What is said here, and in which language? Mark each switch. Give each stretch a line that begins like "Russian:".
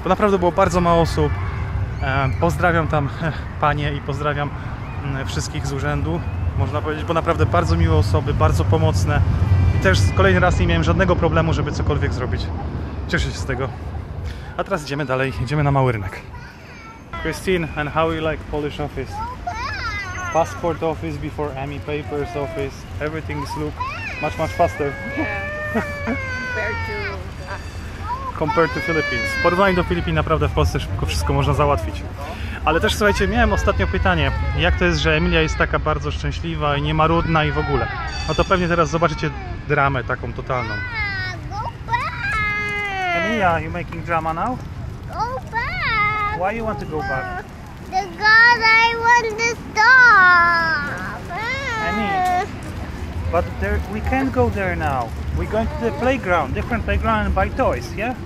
Polish: Bo naprawdę było bardzo mało osób. Pozdrawiam tam panie i pozdrawiam wszystkich z urzędu, można powiedzieć, bo naprawdę bardzo miłe osoby, bardzo pomocne. Też kolejny raz nie miałem żadnego problemu, żeby cokolwiek zrobić. Cieszę się z tego. A teraz idziemy dalej, idziemy na mały rynek.
English: Christine, and how you like Polish office? Passport office before Emmy papers office. Everything is look much, much faster. Compared to Philippines.
Polish: Porównanie do Filipin, naprawdę w Polsce szybko wszystko można załatwić. Ale też słuchajcie, miałem ostatnio pytanie, jak to jest, że Emilia jest taka bardzo szczęśliwa i niemarudna i w ogóle. No to pewnie teraz zobaczycie dramę taką totalną.
English: Go back. Emilia, you making drama now? Go back. Why you want to go back? Because I want to stop. Emilia, but there, we can't go there now. We're going to the playground, different playground, and buy toys, yeah?